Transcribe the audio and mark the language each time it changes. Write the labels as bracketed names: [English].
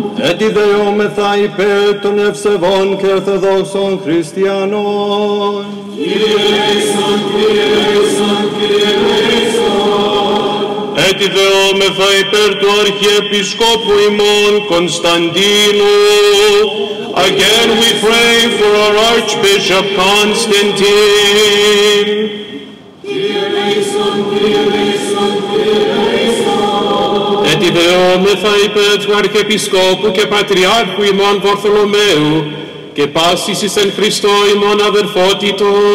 [Greek] Έτι δεωμεθά υπέρ των ευσεβών και ορθοδόξων χριστιανών. Κύριε Ιησού, Κύριε Ιησού, Κύριε Ιησού. Έτι δεωμεθά υπέρ του αρχιεπισκόπου ημών Κωνσταντίνου. [English] Again we pray for our Archbishop Constantine. [Greek] Έτι δεωμεθά υπέρ του αρχιεπισκόπου και πατριάρχου ημών Βορθολομαίου και πάσης εις εν Χριστώ ημών αδερφότητος.